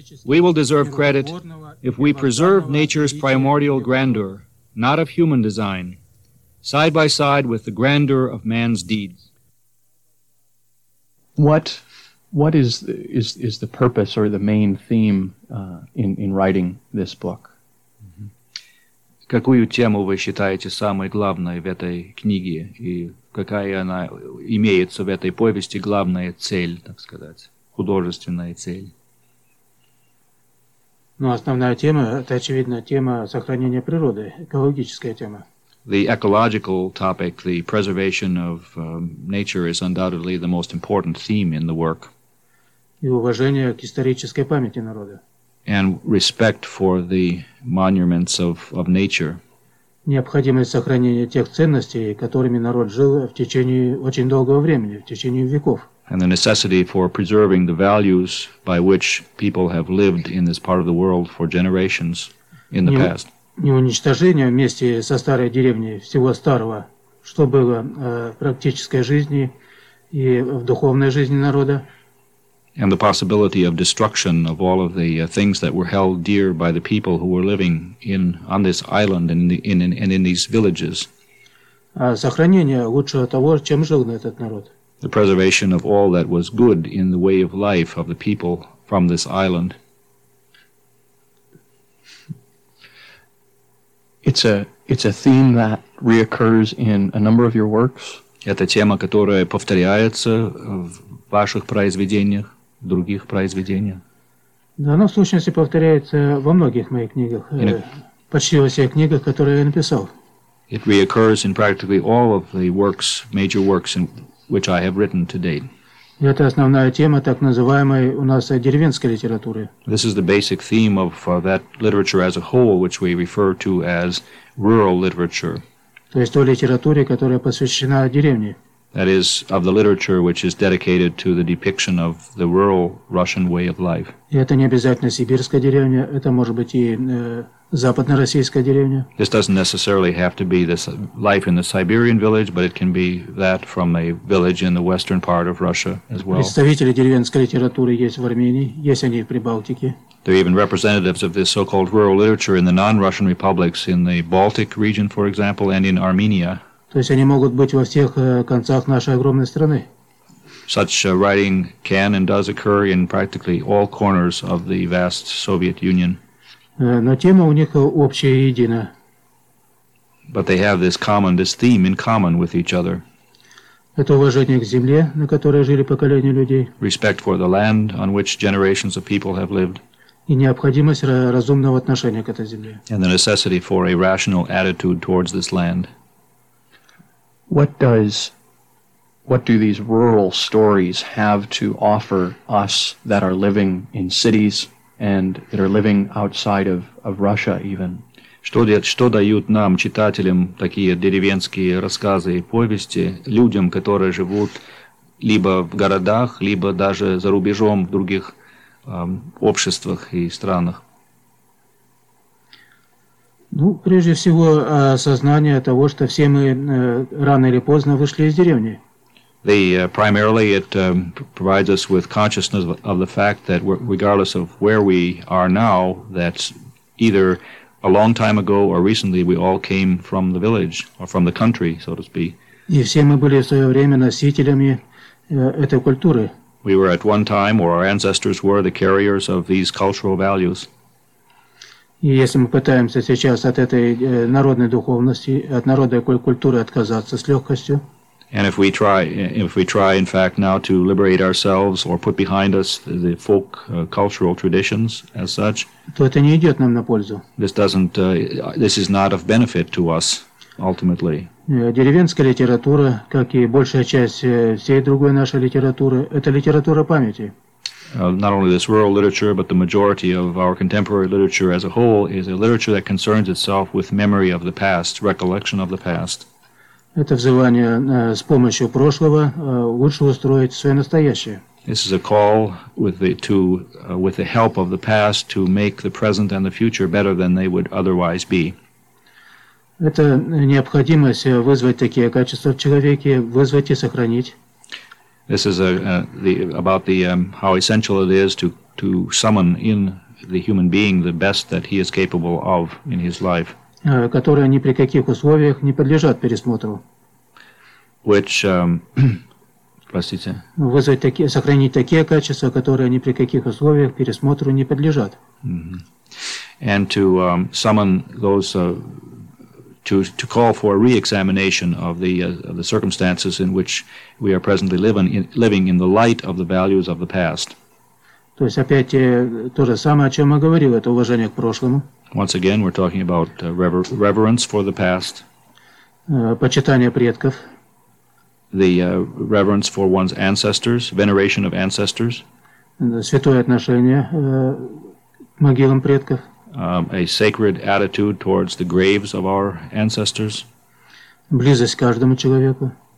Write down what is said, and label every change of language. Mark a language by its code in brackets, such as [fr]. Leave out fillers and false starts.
[en] We will deserve credit if we preserve nature's primordial grandeur, not of human design, side by side with the grandeur of man's deeds. What is the purpose or the main theme in writing this book? [ru] Какую тему вы считаете самой главной в этой книге и какая она имеется в этой повести главная цель, так сказать, художественная цель? Ну, основная тема это очевидно тема сохранения природы, экологическая тема. [en] The ecological topic, the preservation of nature is undoubtedly the most important theme in the work. [ru] И уважение к исторической памяти народа. [en] And respect for the monuments of nature. [ru] Необходимость сохранения тех ценностей, которыми народ жил в течение очень долгого времени, в течение веков. [en] And the necessity for preserving the values by which people have lived in this part of the world for generations in the past. [ru] Не уничтожение вместе со старой деревней всего старого, что было в практической жизни и в духовной жизни народа. [en] and the possibility of destruction of all of the things that were held dear by the people who were living on this island and in these villages. [ru] Сохранение лучшего того, чем жил этот народ. [en] The preservation of all that was good in the way of life of the people from this island. It's a theme that reoccurs in a number of your works. [ru] Это тема, которая повторяется в ваших произведениях, в других произведениях. Да, она в сущности повторяется во многих моих книгах, почти во всех книгах, которые я написал. [en] It reoccurs in practically all of the works, major works, in which I have written to date. [ru] Это основная тема так называемой у нас деревенской литературы. [en] This is the basic theme of that literature as a whole, which we refer to as rural literature. [ru] То есть той литературе, которая посвящена деревне. [en] That is, of the literature which is dedicated to the depiction of the rural Russian way of life. [ru] И это не обязательно сибирская деревня, это может быть и западно-российская деревня. [en] This doesn't necessarily have to be the life in the Siberian village, but it can be that from a village in the western part of Russia as well. [ru] Представители деревенской литературы есть в Армении, есть они в Прибалтике. [en] There are even representatives of this so-called rural literature in the non-Russian republics, in the Baltic region, for example, and in Armenia. [ru] То есть они могут быть во всех концах нашей огромной страны. [en] Such writing can and does occur in practically all corners of the vast Soviet Union. [ru] Но тема у них общая и едина. [en] But they have this theme in common with each other. [ru] Это уважение к земле, на которой жили поколения людей. [en] Respect for the land on which generations of people have lived. [ru] И необходимость разумного отношения к этой земле. [en] And the necessity for a rational attitude towards this land. What do these rural stories have to offer us that are living in cities and that are living outside of Russia even? [ru] Что дают нам, читателям, такие деревенские рассказы и повести, людям, которые живут либо в городах, либо даже за рубежом в других обществах и странах? Ну, прежде всего, осознание того, что все мы рано или поздно вышли из деревни. [en] Primarily, it provides us with consciousness of the fact that regardless of where we are now, that either a long time ago or recently we all came from the village or from the country, so to speak. [ru] И все мы были в свое время носителями этой культуры. [en] We were at one time, or our ancestors were, the carriers of these cultural values. [ru] И если мы пытаемся сейчас от этой народной духовности, от народной культуры отказаться с легкостью, [en] and if we try in fact now to liberate ourselves or put behind us the folk cultural traditions as such, [ru] то это не идет нам на пользу. [en] This is not of benefit to us ultimately. [ru] Деревенская литература, как и большая часть всей другой нашей литературы, это литература памяти. [en] Not only this rural literature, but the majority of our contemporary literature as a whole is a literature that concerns itself with memory of the past, recollection of the past. [ru] Это взывание с помощью прошлого лучше устроить свое настоящее. [en] This is a call with the help of the past to make the present and the future better than they would otherwise be. [ru] Это необходимость вызвать такие качества в человеке, вызвать и сохранить. [en] This is how essential it is to summon in the human being the best that he is capable of in his life, [ru] которые ни при каких условиях не подлежат пересмотру. [en] Which, [ru] простите. Вызвать такие, сохранить такие качества, которые ни при каких условиях пересмотру не подлежат. Mm-hmm. [en] And to summon those to call for a re-examination of the circumstances in which we are presently living in the light of the values of the past. [ru] То есть опять то же самое, о чем я говорил, это уважение к прошлому. [en] Once again, we're talking about reverence for the past. [ru] Почитание предков. [en] The reverence for one's ancestors, veneration of ancestors. [ru] Святое отношение к могилам предков. [en] A sacred attitude towards the graves of our ancestors. [ru] Близость к каждому человеку.